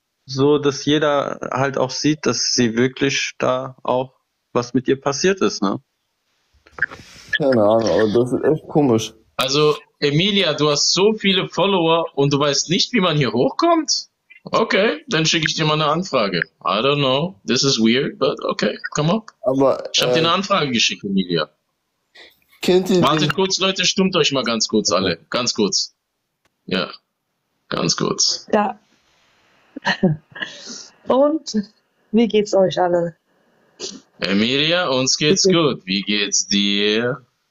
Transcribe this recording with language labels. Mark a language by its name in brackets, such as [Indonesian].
[German] So, dass jeder halt auch sieht, dass sie wirklich da auch was mit ihr passiert ist, ne? Keine Ahnung, aber das ist echt komisch. Also, Emilia, du hast so viele Follower und du weißt nicht, wie man hier hochkommt? Okay, dann schicke ich dir mal eine Anfrage. [English] I don't know, this is weird, but okay, come on. [German] Aber, ich habe dir eine Anfrage geschickt, Emilia. Kennt ihr Wartet den? Kurz, Leute, stummt euch mal ganz kurz alle. Ganz kurz. Ja, ganz kurz. Ja. Und wie geht's euch alle? Emilia, uns geht's gut. Wie geht's dir?